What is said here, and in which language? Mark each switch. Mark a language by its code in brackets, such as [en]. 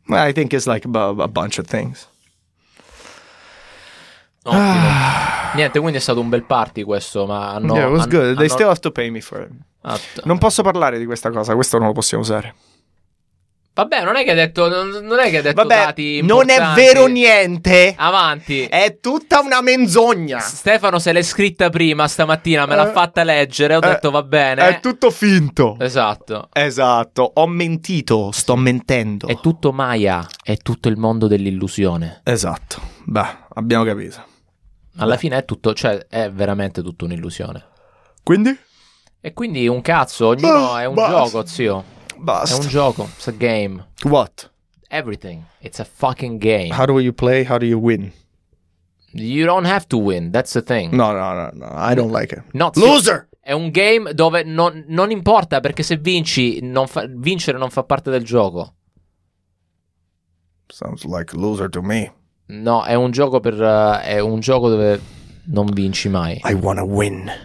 [en] I think it's like a bunch of things. [it] Ottimo. Niente, quindi è stato un bel party questo, ma no. [en] Yeah, it was good. They still have to pay me for it. [it] Non posso parlare di questa cosa, questo non lo possiamo usare. Vabbè, non è che hai detto vabbè, dati importanti. Non è vero niente. Avanti. È tutta una menzogna. Stefano se l'è scritta prima stamattina, me l'ha fatta leggere, ho detto va bene. È tutto finto. Esatto. Esatto, ho mentito, sto mentendo. È tutto Maya, è tutto il mondo dell'illusione. Esatto, beh, abbiamo capito. Alla fine è tutto, cioè è veramente tutta un'illusione. Quindi? E quindi un cazzo, ognuno è un gioco, zio. Basta. È un gioco, [en] it's a game. What? Everything. It's a fucking game. How do you play? How do you win? You don't have to win, that's the thing. No, I don't like it. Not loser! [it] È un game dove non importa, perché se vinci, vincere non fa parte del gioco. [en] Sounds like loser to me. [it] No, è un gioco è un gioco dove non vinci mai. [en] I wanna win.